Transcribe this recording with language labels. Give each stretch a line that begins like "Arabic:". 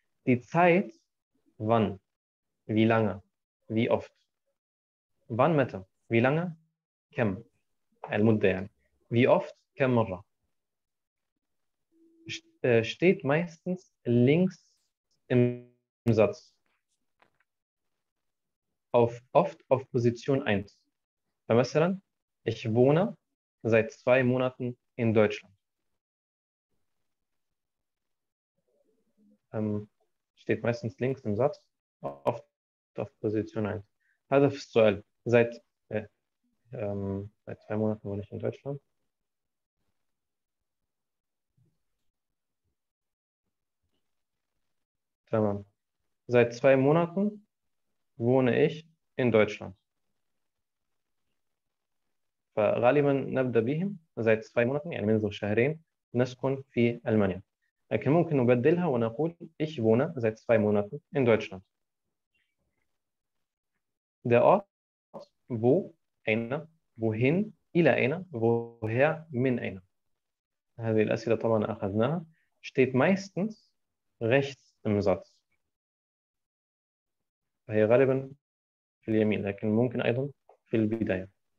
German: Die Zeit wann، wie lange، wie oft.
Arabic: Wann متى،
German: wie lange،
Arabic: كم المدة يعني.
German: Wie oft،
Arabic: كم مرة.
German: Steht meistens links im Satz. Auf oft auf Position 1. فمثلا Ich wohne seit 2 Monaten in Deutschland. Steht meistens links im Satz, oft auf Position 1. Also seit 2 Monaten wohne ich in Deutschland. Tamam. Seit 2 Monaten wohne ich in Deutschland.
Arabic: فغالبا نبدأ بهم زائد 2 مونات يعني منذ شهرين نسكن في ألمانيا. لكن ممكن نبدلها ونقول
German: ich wohne seit 2 Monaten in Deutschland. Der Ort, wo, أين, wohin,
Arabic: إلى أين,
German: woher,
Arabic: من أين. هذه الأسئلة طبعا أخذناها.
German: Steht meistens rechts im Satz.
Arabic: فهي غالبا في اليمين لكن ممكن أيضا في البداية.